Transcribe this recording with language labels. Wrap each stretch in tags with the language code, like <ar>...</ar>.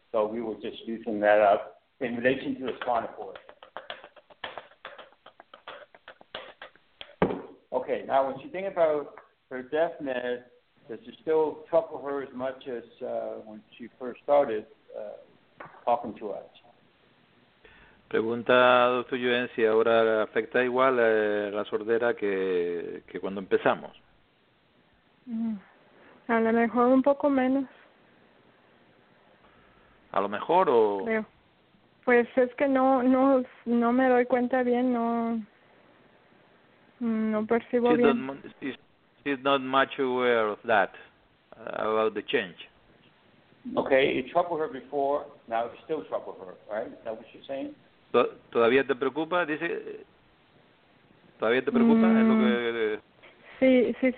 <en>So we will just loosen that up in relation to the spinal cord. Okay, now when she thinks about her deafness, does it still trouble her as much as when she first started talking to us?</en> <es>Pregunta, doctor Yuen, si ahora afecta igual la sordera que cuando empezamos. A lo mejor un poco menos. ¿A lo mejor o...? Creo. Pues es que no me doy cuenta bien, no percibo</es> <en>she's</en> <es>bien.</es> <en>She's not much aware of that, about the change. Okay, it troubled her before, now it still troubled her, right? Is that what you're saying?</en> <es>¿Todavía te preocupa? Dice, ¿todavía te preocupa? Es lo que,</es>